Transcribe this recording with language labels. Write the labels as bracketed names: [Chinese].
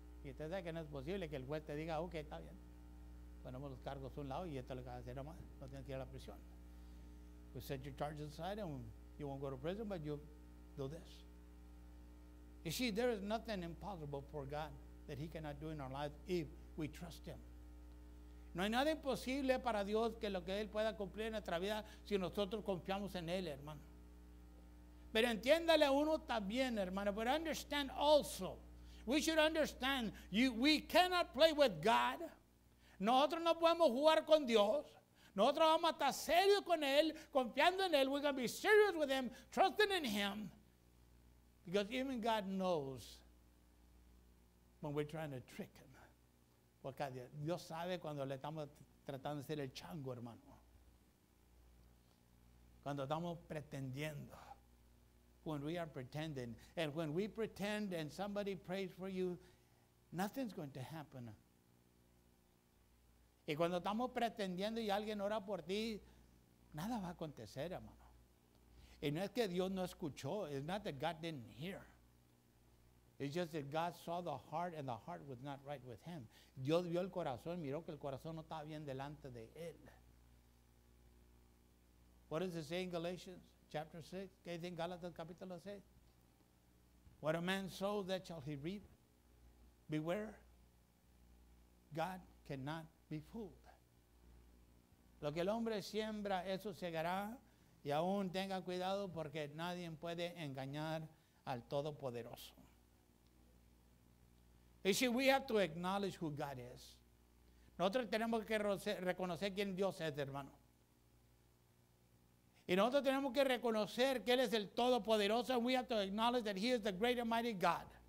[Spanish] Y usted sabe que no es posible que el juez te diga, ok, está bien. Ponemos los cargos a un lado y esto es lo que va a hacer nomás. No tienes que ir a la prisión. [English] We set your charges aside and you won't go to prison, but you do this. You see, there is nothing impossible for God that he cannot do in our lives if we trust him. [Spanish] No hay nada imposible para Dios que lo que él pueda cumplir en nuestra vida si nosotros confiamos en él, hermano. Pero entiéndale uno también, hermano, [English] but understand also, we should understand, we cannot play with God. [Spanish] Nosotros no podemos jugar con Dios. Nosotros vamos a estar serios con Él, confiando en Él. [English] We're going to be serious with Him, trusting in Him. Because even God knows when we're trying to trick Him. [Spanish] Porque Dios sabe cuando le estamos tratando de hacer el chango, hermano. Cuando estamos pretendiendo. [English] When we are pretending, and when we pretend and somebody prays for you, nothing's going to happen. [Spanish] Y cuando estamos pretendiendo y alguien ora por ti, nada va a acontecer, hermano. Y no es que Dios no escuchó. [English] It's not that God didn't hear. It's just that God saw the heart and the heart was not right with him. [Spanish] Dios vio el corazón, miró que el corazón no estaba bien delante de él. [English] What does it say in Galatians chapter 6? [Spanish] ¿Qué dice en Galatas capítulo 6? [English] What a man sows, that shall he reap. Beware. God cannot be fooled. [Spanish] Lo que el hombre siembra, eso segará. Y aún tenga cuidado porque nadie puede engañar al Todopoderoso. [English] You see, we have to acknowledge who God is. [Spanish] Nosotros tenemos que reconocer quién Dios es, hermano. Y nosotros tenemos que reconocer que Él es el Todopoderoso. [English] We have to acknowledge that He is the great and mighty God.